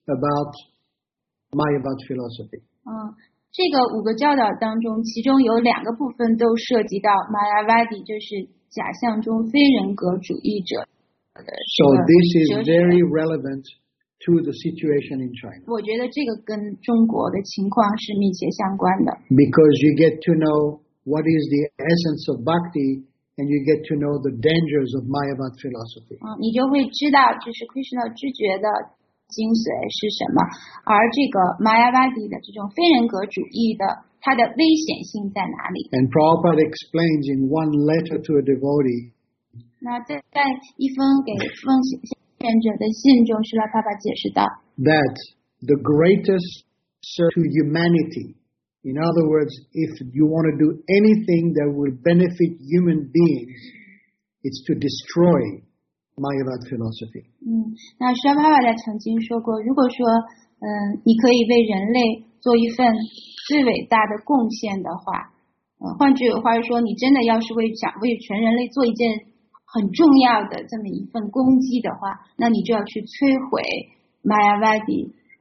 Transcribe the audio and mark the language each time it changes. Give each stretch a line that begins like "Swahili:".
English: About Mayavad philosophy.
Chinese: 这个五个教导当中，其中有两个部分都涉及到 Mayavadi, 就是假象中非人格主义者。
English: So this is very relevant to the situation in China.
Chinese: 我觉得这个跟中国的情况是密切相关的。
English: Because you get to know what is the essence of bhakti. And you get to know the dangers of Mayavad philosophy.
Chinese: 你就会知道就是 Krishna 知觉的精髓是什么，而这个 Mayavadi 的这种非人格主义的它的危险性在哪里。
English: And Prabhupada explains in one letter to a devotee.
Chinese: 那在一封给奉献者的信中，释迦牟尼解释道
English: that the greatest service to humanity. In other words, if you want to do anything that will benefit human beings, it's to destroy Mayavad philosophy.
Chinese: 那沙巴瓦在曾经说过，如果说你可以为人类做一份最伟大的贡献的话，换句话说，你真的要是为全人类做一件很重要的这么一份功绩的话，那你就要去摧毁 Mayavadi。